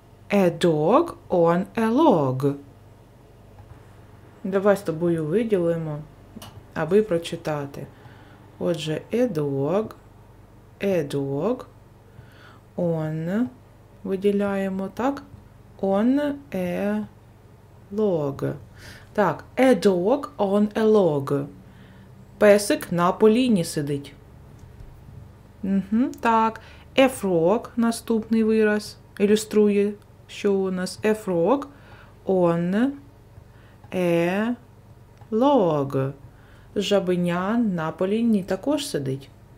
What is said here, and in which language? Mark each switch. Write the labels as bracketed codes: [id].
[en] A dog on a log. [uk] Давай з тобою виділимо, аби прочитати. Отже, [en] a dog on, [uk] виділяємо, так? [en] On a log. Так, a dog on a log. [uk] Песик на поліні сидить. Угу, так, [en] a frog, [uk] наступний вираз, ілюструє. Що у нас? [en] A frog on a log. [uk] Жабеня на поліні також сидить.